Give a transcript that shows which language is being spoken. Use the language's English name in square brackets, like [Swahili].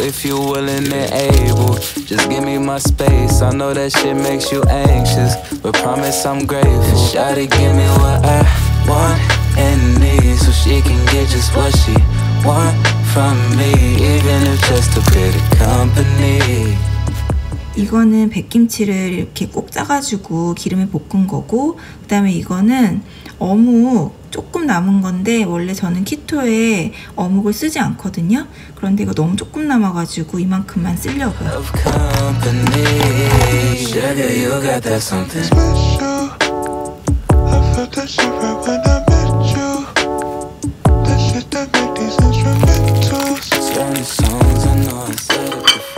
[English] If you willing and able, just give me my space. I know that shit makes you anxious, but promise I'm grateful. Shawty, give me what I want and need, so she can get just what she want from me, even if just a bit of company. [Korean] 이거는 백김치를 이렇게 꼭 짜가지고 기름에 볶은 거고, 그 다음에 이거는 어묵 조금 남은 건데, 원래 저는 키토에 어묵을 쓰지 않거든요. 그런데 이거 너무 조금 남아가지고 이만큼만 쓰려고요. [English] Of company, sugar, you got that something special. I felt that shit right when I met you. That shit that made these instrumentals. Turn the songs, I know I said it.